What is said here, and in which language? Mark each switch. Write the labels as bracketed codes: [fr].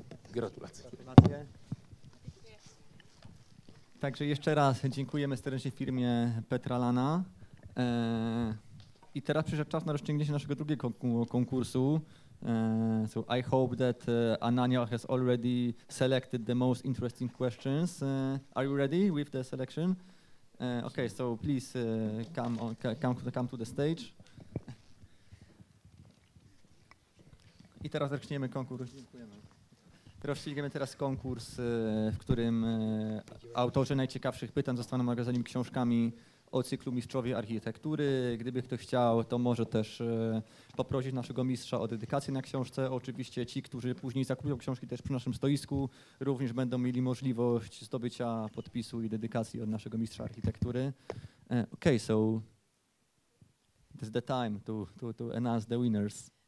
[pl] Gratulacje. Także jeszcze raz dziękujemy serdecznie firmie Petra Lana. I teraz przyszedł czas na rozstrzygnięcie naszego drugiego konkursu. [en] So I hope that Ananya has already selected the most interesting questions. Are you ready with the selection? Okay, so please come to the stage. [pl] I teraz zaczniemy konkurs. Dziękujemy. Rozstrzygniemy teraz konkurs, w którym autorzy najciekawszych pytań zostaną magazynem książkami o cyklu Mistrzowie Architektury. Gdyby ktoś chciał, to może też poprosić naszego mistrza o dedykację na książce. Oczywiście ci, którzy później zakupią książki też przy naszym stoisku, również będą mieli możliwość zdobycia podpisu i dedykacji od naszego mistrza architektury. [en] Okay, so it's the time to announce the winners.